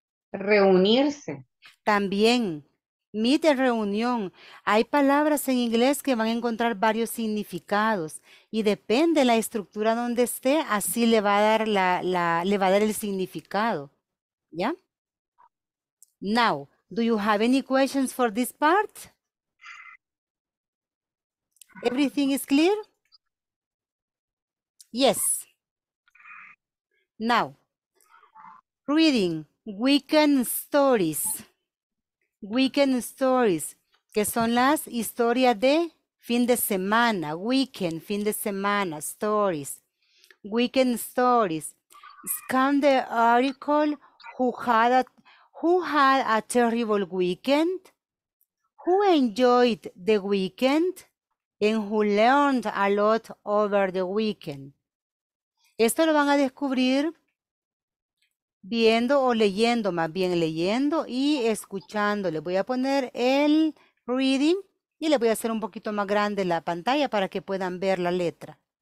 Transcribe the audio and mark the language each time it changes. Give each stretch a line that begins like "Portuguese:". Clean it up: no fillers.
Spanish: Reunirse. También. Meet es reunión. Hay palabras en inglés que van a encontrar varios significados. Y depende de la estructura donde esté, así le va a dar le va a dar el significado. ¿Ya?
English: Now, do you have any questions for this part? Everything is clear? Yes. Now, reading weekend stories. Weekend stories,
Spanish: que son las historias de fin de semana.
English: Weekend,
Spanish: fin de semana,
English: stories. Weekend stories. Scan the article, who had a terrible weekend? Who enjoyed the weekend? And who learned a lot over the weekend?
Spanish: Esto lo van a descubrir viendo o leyendo, más bien leyendo y escuchando. Le voy a poner el reading y le voy a hacer un poquito más grande la pantalla para que puedan ver la letra.